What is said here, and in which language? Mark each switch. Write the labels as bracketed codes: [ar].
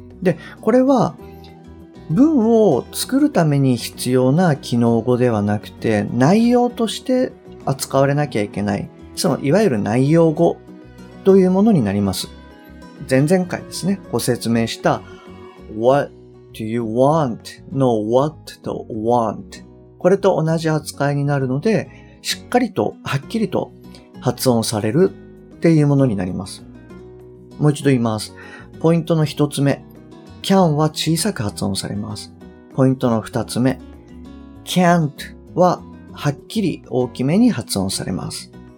[ja] で、これは文を作るために必要な機能語ではなくて、内容として扱われなきゃいけない、そのいわゆる内容語というものになります。前々回ですね、ご説明した [en] What do you want? [ja] の What と want。これと同じ扱いになるので、しっかりとはっきりと発音されるっていうものになります。もう一度言います。ポイントの一つ目。can は小さく発音されます。ポイントの二つ目、can't ははっきり大きめに発音されます。